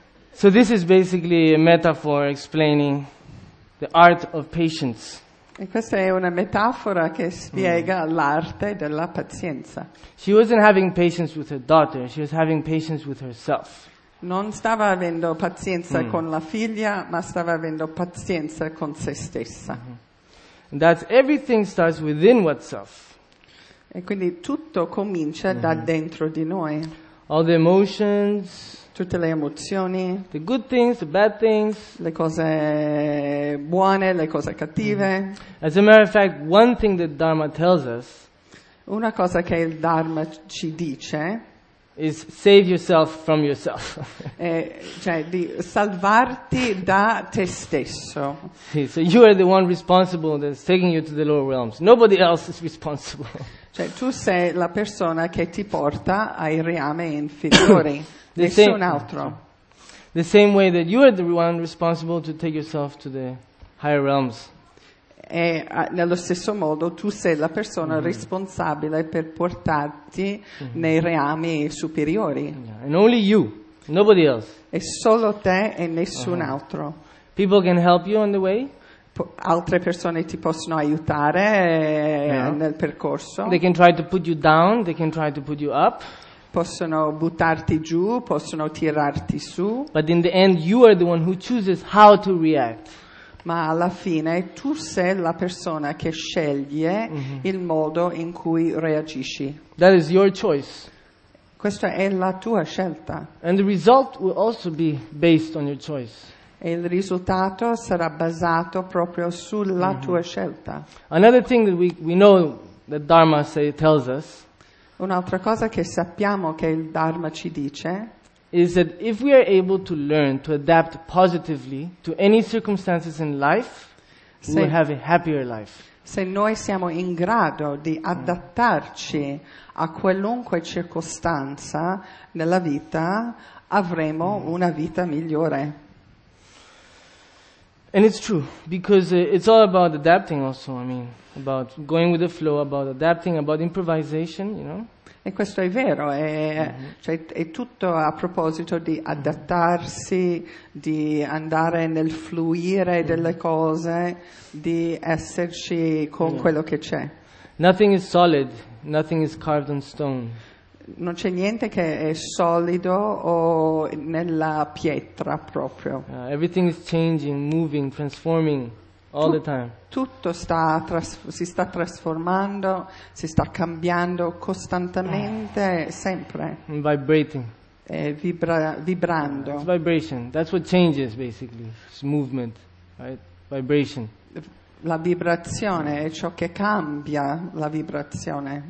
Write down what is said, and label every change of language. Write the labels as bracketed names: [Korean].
[English] So this is basically a metaphor explaining the art of patience. [Italian] E questa è una metafora che spiega l'arte della pazienza. [English] She wasn't having patience with her daughter, she was having patience with herself. [Italian] Non stava avendo pazienza con la figlia, ma stava avendo pazienza con se stessa. [English] And that's everything starts within oneself. [Italian] E quindi tutto comincia da dentro di noi. [English] All the emotions, [Italian] tutte le emozioni, [English] the good things, the bad things, [Italian] le cose buone, le cose cattive. [English] As a matter of fact, one thing that Dharma tells us, [Italian] una cosa che il Dharma ci dice, [English] is save yourself from yourself. [Italian] cioè di salvarti da te stesso. [English] See, so you are the one responsible that's taking you to the lower realms. Nobody else is responsible. [Italian] Cioè tu sei la persona che ti porta ai reami inferiori. Nessun altro. [English] The same way that you are the one responsible to take yourself to the higher realms. [Italian] E nello stesso modo tu sei la persona responsabile per portarti nei reami superiori. [English] Yeah. And only you, nobody else. [Italian] E solo te e nessun altro. [English] People can help you on the way. [Italian] Altre persone ti possono aiutare nel percorso. [English] They can try to put you down, they can try to put you up. [Italian] possono buttarti giù, possono tirarti su. [English] But in the end you are the one who chooses how to react. [Italian] Ma alla fine tu sei la persona che sceglie il modo in cui reagisci. [English] That is your choice. [Italian] Questa è la tua scelta. [English] And the result will also be based on your choice. [Italian] E il risultato sarà basato proprio sulla tua scelta. [English] Another thing that we know that Dharma say, tells us. [Italian] Un'altra cosa che sappiamo che il Dharma ci dice. [English] Is that if we are able to learn to adapt positively to any circumstances in life, we will have a happier life. [Italian] Se noi siamo in grado di adattarci a qualunque circostanza nella vita, avremo una vita migliore. [English] And it's true, because it's all about adapting also, I mean, about going with the flow, about adapting, about improvisation, you know. [Italian] E questo è vero, è, cioè, è tutto a proposito di adattarsi, di andare nel fluire delle cose, di esserci con quello che c'è. [English] Nothing is solid, nothing is carved on stone. [Italian] Non c'è niente che è solido o nella pietra proprio. [English] Everything is changing, moving, transforming all the time. [Italian] Tutto si sta trasformando, si sta cambiando costantemente, sempre. [English] And vibrating. [Italian] Vibrando. [English] It's vibration. That's what changes basically. It's movement, right? Vibration. [Italian] La vibrazione è ciò che cambia, la vibrazione.